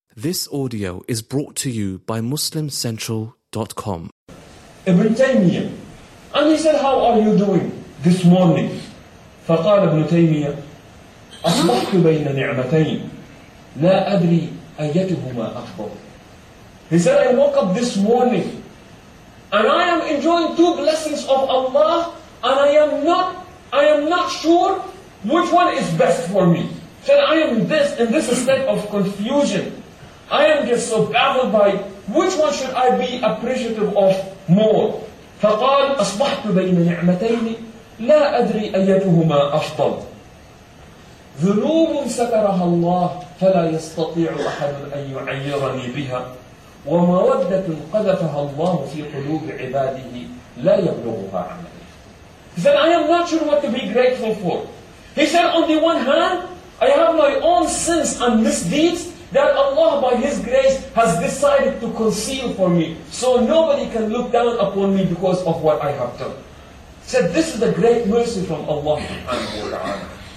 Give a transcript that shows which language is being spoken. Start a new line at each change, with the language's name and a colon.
English: This audio is brought to you by MuslimCentral.com. Ibn Taymiyyah. And he said, how are you doing this morning?
Arabic: فقال ابن تيمية أصبحت بين نعمتين لا أدري أيتهما أفضل.
English: He said, I woke up this morning and I am enjoying two blessings of Allah and I am not sure which one is best for me. He said, I am in this state of confusion. I am just so baffled by which one should I be appreciative of more.
Arabic: فقال أصبحت بين نعمتين لا أدري أيتهما أفضل. ذنوب سترها الله فلا يستطيع أحد أن يعيرني بها ومودة قذفها الله في قلوب عباده لا يبلغها عملي.
English: He said, I am not sure what to be grateful for. He said, on the one hand, I have my own sins and misdeeds that Allah by His grace has decided to conceal for me, so nobody can look down upon me because of what I have done. Said, this is a great mercy from Allah subhanahu wa ta'ala.